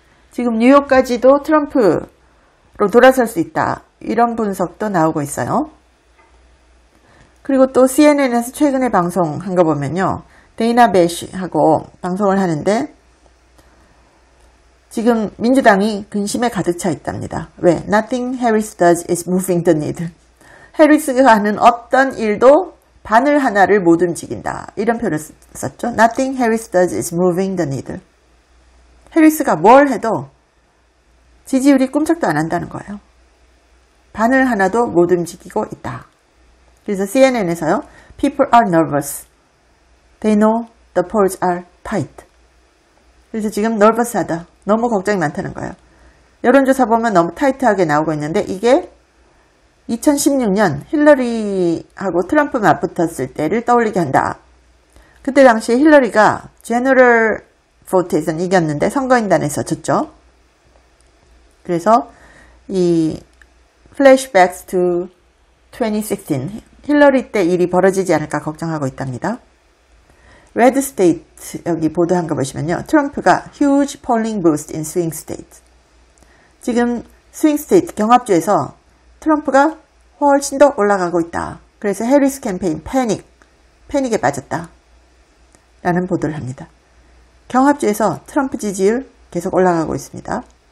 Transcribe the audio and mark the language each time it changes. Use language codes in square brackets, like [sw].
[ko] 지금 뉴욕까지도 트럼프로 돌아설 수 있다. 이런 분석도 나오고 있어요. 그리고 또 CNN에서 최근에 방송한 거 보면요. 데이나 베쉬하고 방송을 하는데 지금 민주당이 근심에 가득 차 있답니다. 왜? [en] Nothing Harris does is moving the needle. [ko] 해리스가 하는 어떤 일도 바늘 하나를 못 움직인다. 이런 표현을 썼죠. [en] Nothing Harris does is moving the needle. [ko] 해리스가 뭘 해도 지지율이 꿈쩍도 안 한다는 거예요. 바늘 하나도 못 움직이고 있다. 그래서 CNN에서요. [en] People are nervous. They know the polls are tight. [ko] 그래서 지금 nervous하다. 너무 걱정이 많다는 거예요. 여론조사 보면 너무 타이트하게 나오고 있는데 이게 2016년 힐러리하고 트럼프 맞붙었을 때를 떠올리게 한다. 그때 당시에 힐러리가 제너럴 보트에서는 이겼는데 선거인단에서 졌죠. 그래서 이 [en] flashbacks to 2016 [ko] 힐러리 때 일이 벌어지지 않을까 걱정하고 있답니다. 레드스테이트 여기 보도한 거 보시면요. 트럼프가 [en] huge polling boost in swing state. [ko] 지금 swing state 경합주에서 트럼프가 훨씬 더 올라가고 있다. 그래서 해리스 캠페인 패닉에 빠졌다. 라는 보도를 합니다. 경합주에서 트럼프 지지율 계속 올라가고 있습니다.